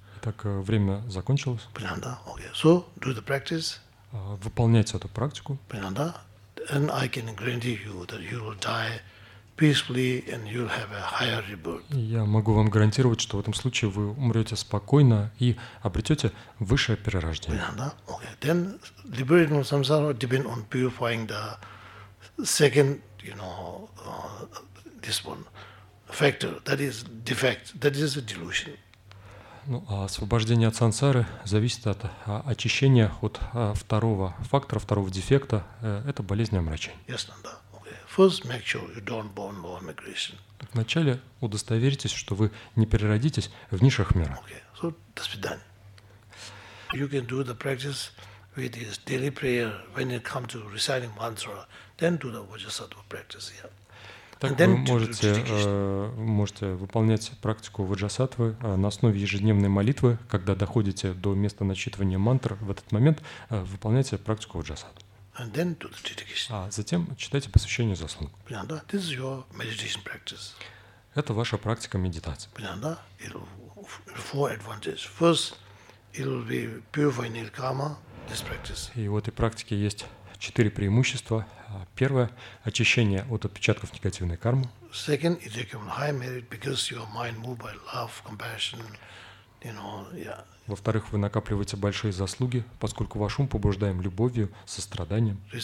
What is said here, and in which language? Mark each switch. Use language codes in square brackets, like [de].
[ru] Итак, время закончилось. Понятно? Окей. [en] So, do the practice. [ru] Выполняйте эту практику. Понятно? [en] And I can guarantee you that you will die peacefully, and you'll have a higher rebirth. [ru] Я могу вам гарантировать, что в этом случае вы умрете спокойно и обретете высшее перерождение. Понятно? Okay. [en] Then liberation from samsara depends on purifying the second, you know, this one factor. That is defect. That is a delusion. [ru] Ну, а освобождение от сансары зависит от очищения от второго фактора, второго дефекта. Это болезнь омрачения. Ясно, да. [en] First, make sure you don't born low migration. [ru] Так, вначале удостоверьтесь, что вы не переродитесь в низших мирах. [en] Okay. So, [ru] до свидания. [en] You can do the practice with this daily prayer when it comes to reciting mantra. Then do the Vajrasattva practice. Yeah. [ru] Так, вы можете, можете выполнять практику Ваджасаттвы на основе ежедневной молитвы, когда доходите до места начитывания мантр. В этот момент выполняйте практику Ваджасаттвы. [en] And then do the dedication. [ru] А затем читайте посвящение заслуг. Понятно? [en] This is your meditation practice. [ru] Это ваша практика медитации. Понятно? [en] It'll four advantages. First, it'll be purifying karma. This practice. [ru] И у этой практики есть четыре преимущества. Первое – очищение от отпечатков негативной кармы. [en] Second, it accumulates high merit because your mind moved by love, compassion. You know, yeah. [ru] Во-вторых, вы накапливаете большие заслуги, поскольку ваш ум побуждаем любовью, состраданием.